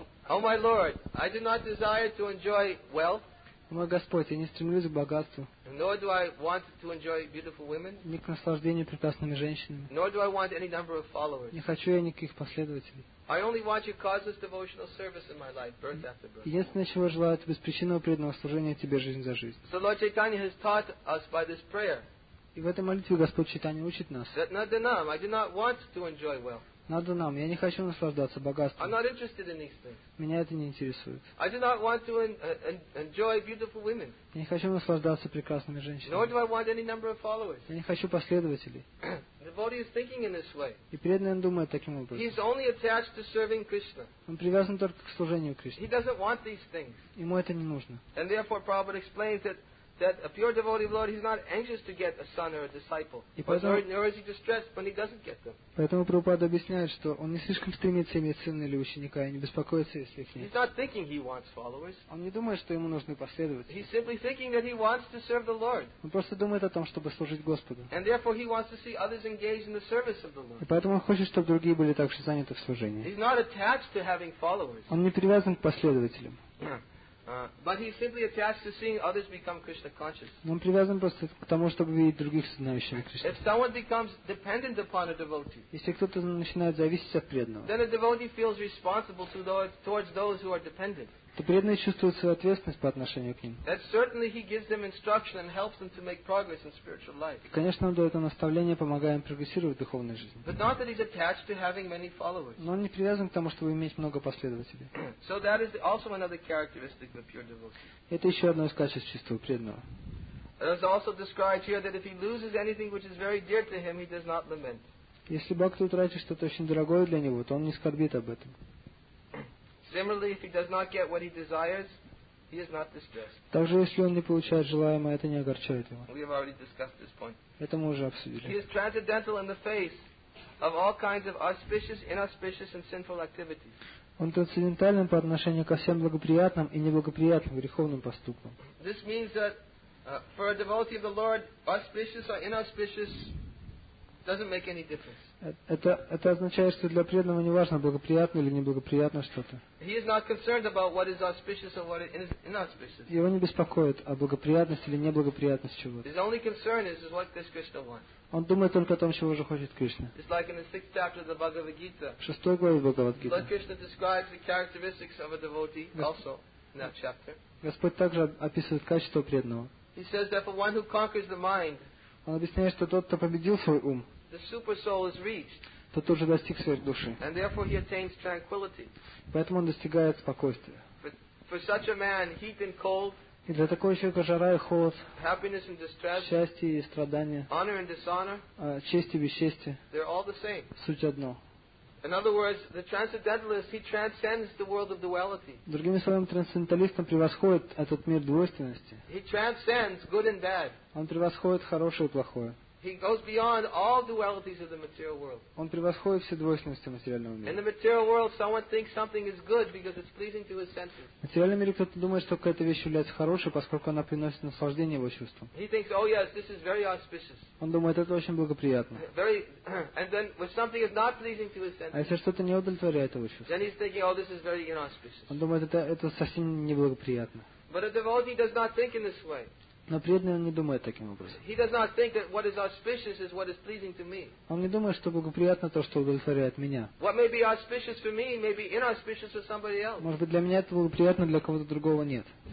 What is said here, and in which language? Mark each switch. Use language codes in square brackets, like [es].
[en] Oh my Lord, I do not desire to enjoy wealth. [ru] Мой Господь, я не стремлюсь к богатству. [en] Nor do I want to enjoy beautiful women. [ru] Ни к наслаждению прекрасными женщинами. [en] Nor do I want any number of followers. [ru] Не хочу я никаких последователей. [en] I only want your causeless devotional service in my life, birth after birth. [ru] Единственное, чего желаю, это беспричинного преданного служения тебе жизнь за жизнь. [en] So Lord Chaitanya has taught us by this prayer. [ru] И в этой молитве Господь Чайтанья учит нас. [en] That [ru] надо нам, [en] I do not want to enjoy wealth. [ru] Надо нам. Я не хочу наслаждаться богатством. [en] I'm not interested in these things. [ru] Меня это не интересует. [en] I do not want to enjoy beautiful women. [ru] Я не хочу наслаждаться прекрасными женщинами. [en] Nor do I want any number of followers. [ru] Я не хочу последователей. [en] The devotee is thinking in this way. [ru] И преданный думает таким образом. [en] He's only attached to serving Krishna. [ru] Он привязан только к служению Кришне. [en] He doesn't want these things. [ru] Ему это не нужно. [en] And therefore, Prabhupada explains that a pure devotee of Lord, he's not anxious to get a son or a disciple. Nor is he distressed when he doesn't get them. [ru] Поэтому Прабхупада объясняет, что он не слишком стремится иметь сына или ученика и не беспокоится, если их нет. [en] He's not thinking he wants followers. [ru] Он не думает, что ему нужны последователи. [en] He's simply thinking that he wants to serve the Lord. [ru] Он просто думает о том, чтобы служить Господу. [en] And therefore he wants to see others engaged in the service of the Lord. [ru] И поэтому он хочет, чтобы другие были также заняты в служении. [en] He's not attached to having followers. [ru] Он не привязан к последователям. [en] But he's simply attached to seeing others become Krishna conscious. [ru] Он привязан просто к тому, чтобы видеть других становящихся Кришной. [en] If someone becomes dependent upon a devotee, [ru] если кто-то начинает зависеть от преданного, [en] then a devotee feels responsible towards those who are dependent. [ru] То преданный чувствует свою ответственность по отношению к ним. [en] That certainly he gives them instruction and helps them to make progress in spiritual life. [ru] Конечно, он дает наставление, помогая им прогрессировать в духовной жизни. [en] But not that he's attached to having many followers. [ru] Но он не привязан к тому, чтобы иметь много последователей. [en] So that is also another characteristic of pure devotee. [ru] Это еще одно из качеств чистого преданного. [en] It is also described here that if he loses anything which is very dear to him, he does not lament. [ru] Если бхакта утратит что-то очень дорогое для него, то он не скорбит об этом. [en] Similarly, if he does not get what he desires, he is not distressed. [ru] Также если он не получает желаемое, это не огорчает его. [en] We have already discussed this point. [ru] Это мы уже обсудили. [en] He is transcendental in the face of all kinds of auspicious, inauspicious, and sinful activities. [ru] Он трансцендентален по отношению ко всем благоприятным и неблагоприятным греховным поступкам. [en] This means that for a devotee of the Lord, auspicious or inauspicious, doesn't make any difference. [ru] Это означает, что для преданного не важно, благоприятно или неблагоприятно что-то. [en] He is not concerned about what is auspicious or what is inauspicious. [ru] Его не беспокоит о благоприятности или неблагоприятности чего-то. [en] His only concern is what does Krishna want. [ru] Он думает только о том, чего же хочет Кришна. [en] It's like in the sixth chapter of the Bhagavad Gita. [ru] В шестой главе Бхагавад Гиты. [en] Lord Krishna describes the characteristics of a devotee also in that chapter. [ru] Господь также описывает качество преданного. [en] He says that for one who conquers the mind. [ru] Он объясняет, что тот, кто победил свой ум, [en] the super soul is reached. [ru] Тот уже достиг своей души. [en] And therefore he attains tranquility. [ru] Поэтому он достигает спокойствия. [en] For such a man, heat and cold. [ru] И для такого человека жара и холод. [en] Happiness and distress. [ru] Счастье и страдания. [en] Honor and dishonor. [ru] Честь и бесчестие. [en] They're all the same. [ru] Суть одно. [en] In other words, the transcendentalist, he transcends the world of duality. [ru] Другими словами, трансценденталистом превосходит этот мир двойственности. [en] He transcends good and bad. [ru] Он превосходит хорошее и плохое. [en] He goes beyond all dualities of the material world. [ru] Он превосходит все двойственности материального мира. [en] In the material world, someone thinks something is good because it's pleasing to his senses. [ru] В материальном мире кто-то думает, что какая-то вещь является хорошей, поскольку она приносит наслаждение его чувствам. [en] He thinks, oh yes, this is very auspicious. [ru] Он думает, это очень благоприятно. [en] Very, and then when something is not pleasing to his senses. [ru] А если что-то не удовлетворяет его чувства? [en] Then he's thinking, oh, this is very inauspicious. [ru] Он думает, это совсем неблагоприятно. [en] But a devotee does not think in this way. [ru] Но преданный не думает таким образом. Он не думает, что благоприятно то, что удовлетворяет меня. Может быть, для меня это благоприятно, для кого-то другого нет.